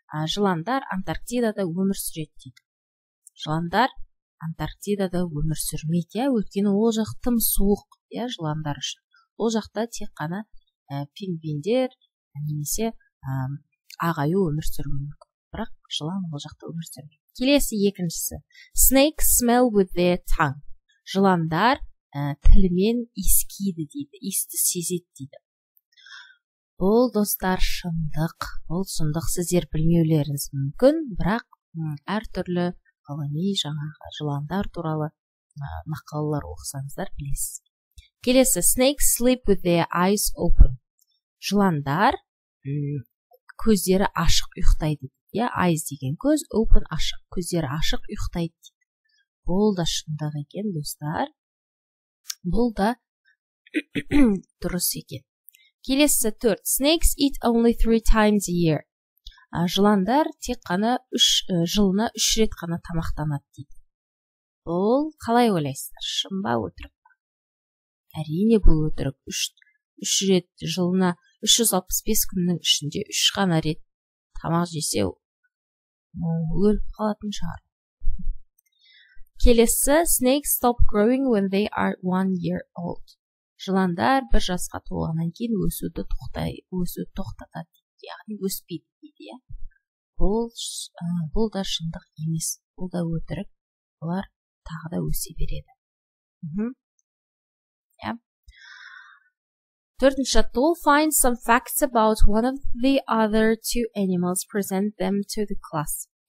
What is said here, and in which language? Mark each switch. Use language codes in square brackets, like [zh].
[kk] Жыландар Антарктидада өмір сүреді дейді. Жыландар Антарктидада өмір сүрмейді, өйткені ол жақ тым суық, я, жыландар үшін. Ол жақта тек қана пингвиндер, немесе ағайы өмір сүрмейді. Бірақ жылан ол жақта өмір сүрмейді. Келесі екіншісі: [en] snakes smell with their tongue. [kk] Жыландар тілімен иіскейді дейді, иісті сезеді дейді. Бұл, достар, шындық. Бұл шындық, сіздер білмеулеріңіз мүмкін, бірақ әртүрлі ғылыми жаңағы жыландар туралы мақалалар оқысаңыздар білесіз. Келесі: [en] snakes sleep with their eyes open. [kk] Жыландар көздері ашық ұйықтайды. Я, eyes деген көз, open ашық, көздері ашық ұйықтайды. Бұл да шындық екен, достар. Бұл да дұрыс екен. Келесі төрт. [en] Snakes eat only 3 times a year. [kk] Жыландар тек қана жылына 3 рет қана тамақтанады дейді. Бұл қалай ойлайсыз? Шын ба, өтірік? Әрине бұл өтірік. 3 рет жылына 365 күннің ішінде 3 қана рет тамақ жесе, өліп қалатын шығар. Келесі, [en] snakes stop growing when they are 1 year old. [kk] Жыландар бір жасқа толғаннан кейін өсуді тоқтатады, яғни өспейді дейді. Бұл да шындық емес, бұл да өтірік, олар тағы да өсе береді. Төртінші, [en] find some facts about one of the other two animals, present them to the class.